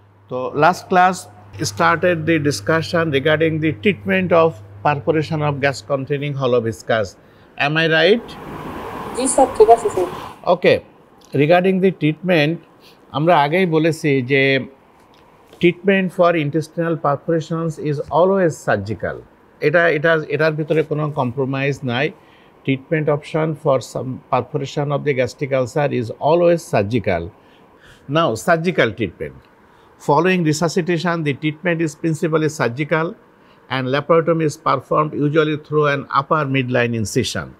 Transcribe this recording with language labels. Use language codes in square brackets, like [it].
[en] So last class started the discussion regarding the treatment of perforation of gas containing hollow viscous. Am I right? Yes, sir. [bn] ঠিক আছে sir. [en] Okay. Regarding the treatment, [bn] আমরা আগেই বলেছি যে [en] treatment for intestinal perforations is always surgical. [bn] এটার ভিতরে কোনো compromise নাই. [en] Treatment option for some perforation of the gastric ulcer is always surgical. Now, surgical treatment. Following resuscitation, the treatment is principally surgical and laparotomy is performed usually through an upper midline incision.